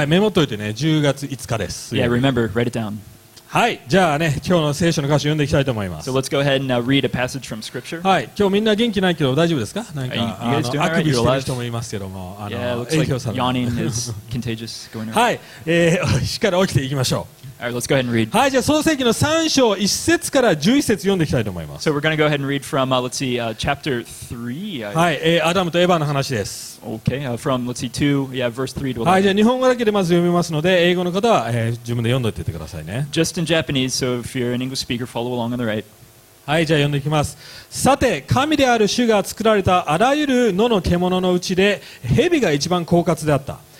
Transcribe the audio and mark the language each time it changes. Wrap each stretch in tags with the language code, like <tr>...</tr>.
<ja>はい、メモっといてね。10月5日です。</ja> <en>Yeah, remember, write it down.</en> <ja>はい、じゃあね、今日の聖書の箇所読んでいきたいと思います。</ja> <en>So let's go ahead and read a passage from scripture.</en> <ja>はい、今日みんな元気ないけど大丈夫ですか？なんか、</ja> <en>you guys doing</en> <ja>あくびしてる人もいますけども、</ja> <en>Yeah, looks like yawning is contagious going</en> <ja>はい、しっかり起きていきましょう。</ja> <en>Alright, let's go ahead and read.</en> <ja>はい、じゃあ創世記の3章1節から11節読んでいきたいと思います。</ja> <en>So we're going to go ahead and read from, let's see, chapter 3.</en> <ja>はい、アダムとエヴァの話です。</ja> <en>Okay, from, let's see, 2, yeah, verse 3 to</en> <ja>11. はい、じゃあ日本語だけでまず読みますので、英語の方は、自分で読んでいってくださいね。</ja> <en>Just in Japanese, so if you're an English speaker, follow along on the right.</en> <ja>はい、じゃあ読んでいきます。さて、神である主が作られたあらゆる野の獣のうちで、蛇が一番狡猾であった。</ja>